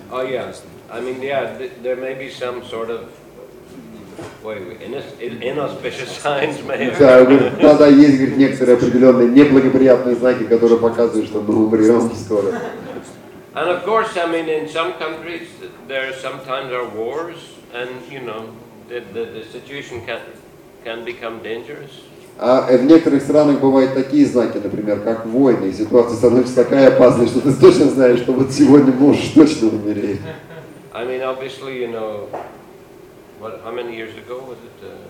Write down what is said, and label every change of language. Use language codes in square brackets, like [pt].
[en] Oh yes, I mean, yeah, there may be some sort of inauspicious signs, maybe. [ru] Да, да, есть, говорит, некоторые определенные неблагоприятные знаки, которые показывают, что мы умрем скоро. [en] And of course, I mean, in some countries there sometimes are wars, and you know, the situation can become dangerous. [ru] А в некоторых странах бывают такие знаки, например, как войны. Ситуация становится такая опасная, что ты точно знаешь, что вот сегодня можешь точно умереть. [en] I mean, obviously, you know, what? How many years ago was it?